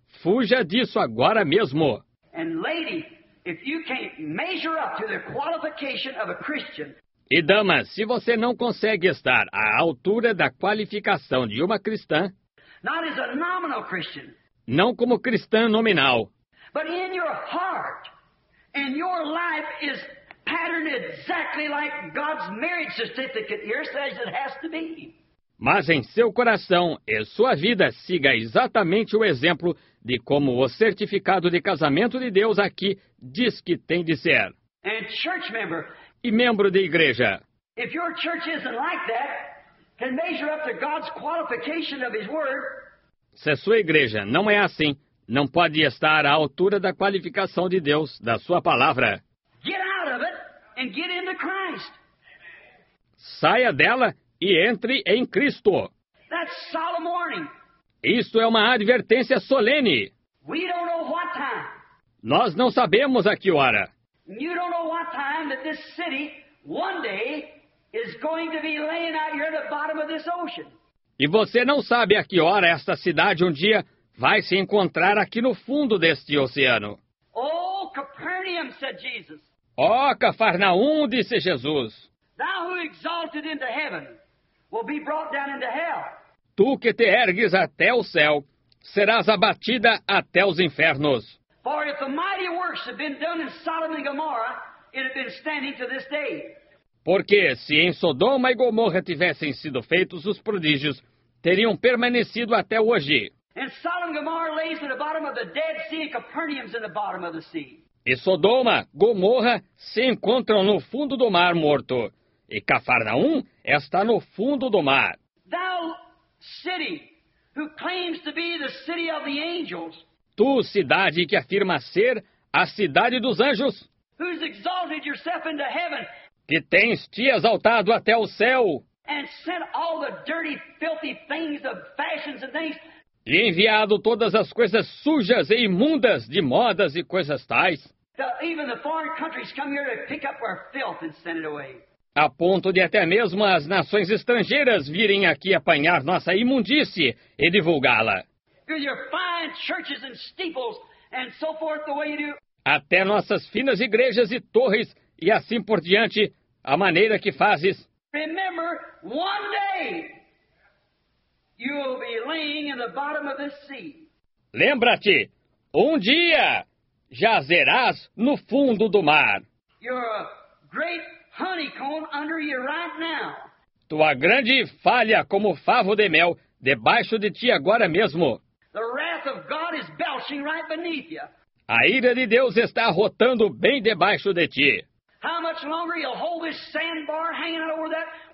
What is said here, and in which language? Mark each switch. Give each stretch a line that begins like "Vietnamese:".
Portuguese: Fuja disso agora mesmo.
English: And lady, if you can't measure up to the qualification of a Christian.
Portuguese: E dama, se você não consegue estar à altura da qualificação de uma cristã,
English: not as a nominal Christian,
Portuguese: não como cristã nominal,
English: but in your heart and your life is patterned exactly like God's marriage certificate here says it has to be.
Portuguese: Mas em seu coração e sua vida siga exatamente o exemplo de como o certificado de casamento de Deus aqui diz que tem de ser.
English: And church member,
Portuguese: e membro de igreja,
English: if your church isn't like that, can measure up to God's qualification of His word.
Portuguese: Se sua igreja não é assim, não pode estar à altura da qualificação de Deus, da sua palavra.
English: Get out of it and get into Christ.
Portuguese: Saia dela e entre em Cristo.
English: That's solemn warning.
Portuguese: Isto é uma advertência solene.
English: We don't know what time.
Portuguese: Nós não sabemos a que hora.
English: You don't know what time that this city one day is going to be laying out here at the bottom of this ocean.
Portuguese: E você não sabe a que hora esta cidade um dia vai se encontrar aqui no fundo deste oceano.
English: Oh, Capernaum, said Jesus.
Portuguese: Oh, Cafarnaum, disse Jesus.
English: Thou who exalted into heaven will be brought down into hell.
Portuguese: Tu que te ergues até o céu, serás abatida até os infernos.
English: For if the mighty works had been done in Sodom and Gomorrah, it had been standing to this day.
Portuguese: Porque se em Sodoma e Gomorra tivessem sido feitos os prodígios, teriam permanecido até hoje.
English: And Sodom and Gomorrah lays at the bottom of the Dead Sea, and Capernaum's in the bottom of the sea.
Portuguese: E Sodoma, Gomorra se encontram no fundo do mar morto, e Cafarnaum está no fundo do mar.
English: Thou city who claims to be the city of the angels.
Portuguese: Tu cidade que afirma ser a cidade dos anjos.
English: Who's exalted yourself into heaven.
Portuguese: Que tens te exaltado até o céu.
English: And sent all the dirty, filthy things of fashions and things.
Portuguese: E enviado todas as coisas sujas e imundas de modas e coisas tais.
English: Even the foreign countries come here to pick up our filth and send it away.
Portuguese: A ponto de até mesmo as nações estrangeiras virem aqui apanhar nossa imundície e divulgá-la.
English: With your fine churches and steeples and so forth the way you do.
Portuguese: Até nossas finas igrejas e torres e assim por diante, a maneira que fazes.
English: Remember, one day you will be laying in the bottom of this sea.
Portuguese: Lembra-te, um dia jazerás no fundo do mar.
English: You're a great honeycomb under you right now.
Portuguese: Tua grande falha como favo de mel debaixo de ti agora mesmo.
English: The wrath of God is belching right beneath you.
Portuguese: A ira de Deus está rotando bem debaixo de ti.
English: How much longer you'll hold this sandbar hanging over that?